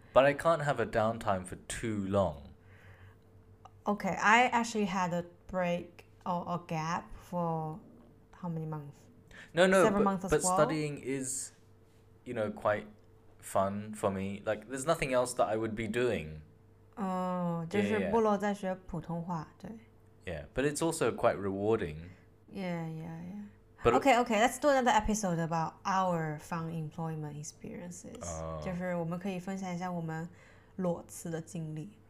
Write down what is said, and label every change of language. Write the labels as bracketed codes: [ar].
[en] But I can't have a downtime for too long. Okay, I actually had a break or a gap for how many months? No, several months as well. Studying is, you know, quite fun for me. Like, there's nothing else that I would be doing. [zh] Oh, 就是菠萝在学普通话，对。 [en] Yeah, but it's also quite rewarding. Yeah. But okay, let's do another episode about our fun employment experiences. [zh] 就是我们可以分享一下我们裸辞的经历。